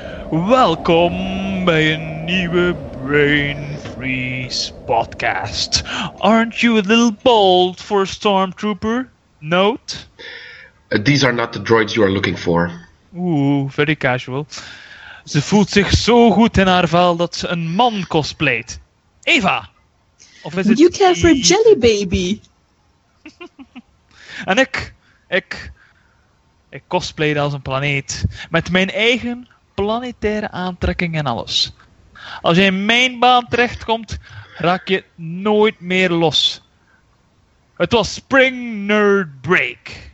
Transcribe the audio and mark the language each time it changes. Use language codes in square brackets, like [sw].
[nl] Welkom bij een nieuwe Brain Freeze podcast. [en] Aren't you a little bold for a stormtrooper? Note? These are not the droids you are looking for. Ooh, very casual. [nl] Ze voelt zich zo goed in haar vel dat ze een man cosplayt. Eva! Of is [en] Would you care for a jelly baby? [nl] En ik cosplay als een planeet. Met mijn eigen planetaire aantrekking en alles. Als je in mijn baan terechtkomt, raak je nooit meer los. Het was Spring Nerd Break.